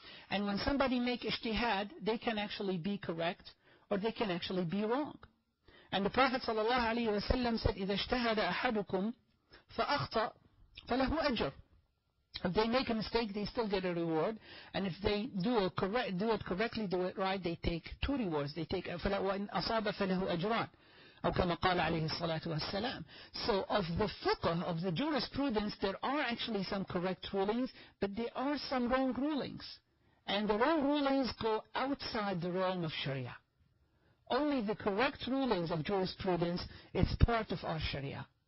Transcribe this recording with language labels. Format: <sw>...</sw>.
<en>And when somebody make ijtihad, they can actually be correct, or they can actually be wrong. And the Prophet sallallahu alayhi wa sallam said,</en> <ar>إِذَا اجْتَهَدَ أَحَدُكُمْ فَأَخْطَى فَلَهُ أَجْرٌ.</ar> <en>If they make a mistake, they still get a reward. And if they do it correctly, do it right, they take two rewards. They take</en> <ar>وَإِنْ أَصَابَ فَلَهُ أَجْرًا أَوْ كَمَا قَالَ عَلَيْهِ الصَّلَاةُ وَالسَّلَامُ.</ar> <en>So of the fiqh, of the jurisprudence, there are actually some correct rulings, but there are some wrong rulings. And the wrong rulings go outside the realm of Sharia. Only the correct rulings of jurisprudence is part of our Sharia.</en>